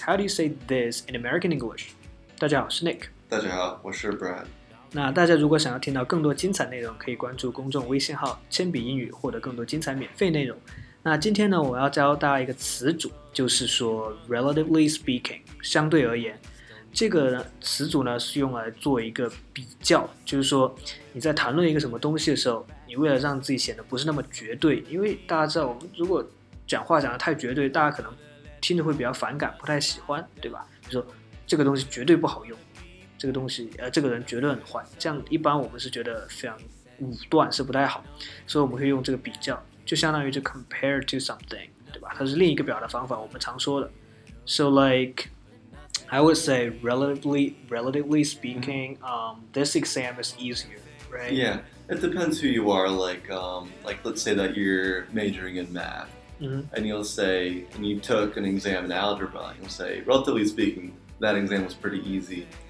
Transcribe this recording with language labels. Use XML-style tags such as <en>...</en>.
<en>How do you say this in American English?</en> <zh>大家好，我是 Nick。大家好，我是 Brad。那大家如果想要听到更多精彩内容，可以关注公众微信号“铅笔英语”，获得更多精彩免费内容。那今天呢，我要教大家一个词组，就是说 relatively speaking， 相对而言。这个词组呢是用来做一个比较，就是说你在谈论一个什么东西的时候，你为了让自己显得不是那么绝对，因为大家知道我们如果讲话讲得太绝对，大家可能听着会比较反感，不太喜欢，对吧？比如说这个东西绝对不好用，这个东西这个人绝对很坏，这样一般我们是觉得非常武断，是不太好，所以我们会用这个比较，就相当于就</zh> <en>compare to something，</en> <zh>对吧？它是另一个表达方法，我们常说的。</zh> <en>So like I would say relatively speaking、this exam is easier, right? Yeah, it depends who you are. Like let's say that you're majoring in math、and you'll say, and you took an exam in algebra, you'll say, relatively speaking, that exam was pretty easy.</en>